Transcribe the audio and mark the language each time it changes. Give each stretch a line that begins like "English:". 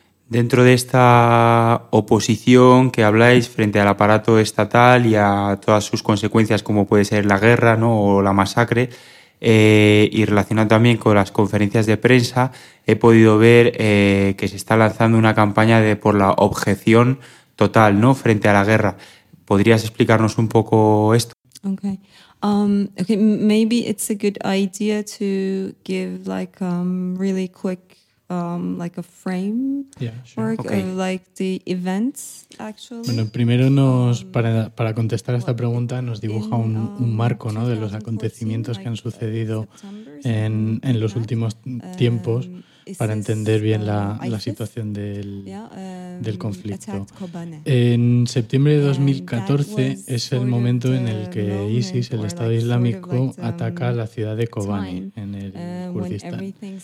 Spanish: Dentro de esta oposición que habláis frente al aparato estatal y a todas sus consecuencias, como puede ser la guerra, ¿no?, o la masacre, y relacionado también con las conferencias de prensa, he podido ver que se está lanzando una campaña de por la objeción total, ¿no?, frente a la guerra. ¿Podrías explicarnos un poco esto?
English: Okay. Okay, maybe it's a good idea to give like really quick like a frame work of like the events actually.
Spanish: Bueno, primero nos para contestar a esta pregunta nos dibuja un marco, ¿no?, de los acontecimientos que han sucedido en los últimos tiempos para entender bien la situación del conflicto. En septiembre de 2014 es el momento en el que ISIS, el Estado Islámico, ataca la ciudad de Kobani, en el Kurdistán.